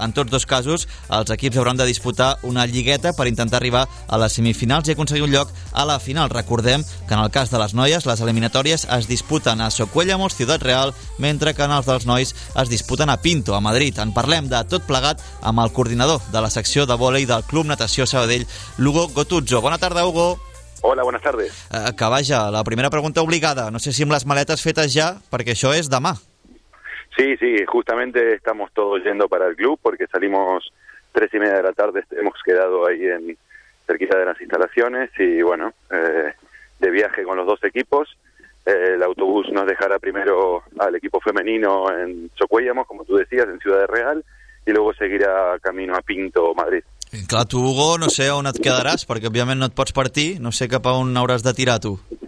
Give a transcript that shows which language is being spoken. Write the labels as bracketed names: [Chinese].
[Catalan] En tots dos casos, els equips hauran de disputar una lligueta per intentar arribar a les semifinals i aconseguir un lloc a la final. Recordem que en el cas de les noies, les eliminatòries es disputen a Socuéllamos, Ciutat Real, mentre que en els dels nois es disputen a Pinto, a Madrid. En parlem de tot plegat amb el coordinador de la secció de vòlei del Club Natació Sabadell, Hugo Gotuzzo. Bona tarda, Hugo. [Spanish] Hola, buenas tardes. [Catalan] Que vaja, la primera pregunta obligada. No sé si amb les maletes fetes ja, perquè això és demà. [Spanish] Sí, sí, justamente estamos todos yendo para el club porque salimos 3:30 de la tarde, hemos quedado ahí en cerquita de las instalaciones y bueno, de viaje con los dos equipos. El autobús nos dejará primero al equipo femenino en Socuéllamos, como tú decías, en Ciudad Real, y luego seguirá camino a Pinto, Madrid. [Catalan] I clar, tu, Hugo, no sé on et quedaràs, perquè òbviament no et pots partir, no sé cap a on hauràs de tirar, tu.